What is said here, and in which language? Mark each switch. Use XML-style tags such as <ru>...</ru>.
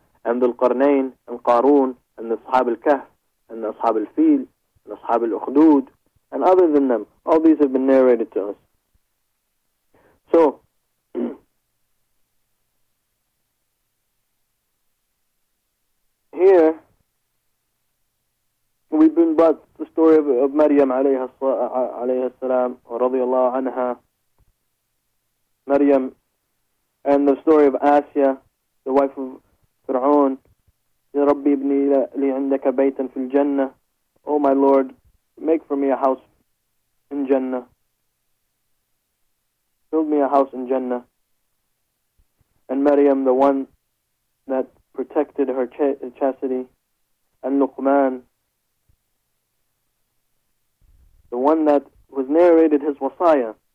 <en>And the Qarnain, and Qarun, and the Ashab al-Kahf, and the Ashab al-Fil, and the Ashab al-Ukhdud, and other than them, all these have been narrated to us. So, here, we've been brought story of Maryam</en> <ar>عليها السلام رضي الله عنها.</ar> <en>Maryam and the story of Asya, the wife of Fir'aun.</en> <ar>Ya Rabbi ibni li indaka baytan fil jannah.</ar> <en>Oh my Lord, make for me a house in Jannah. Build me a house in Jannah. And Maryam, the one that protected her chastity, and Luqman, the one that was narrated his wasaya.</en>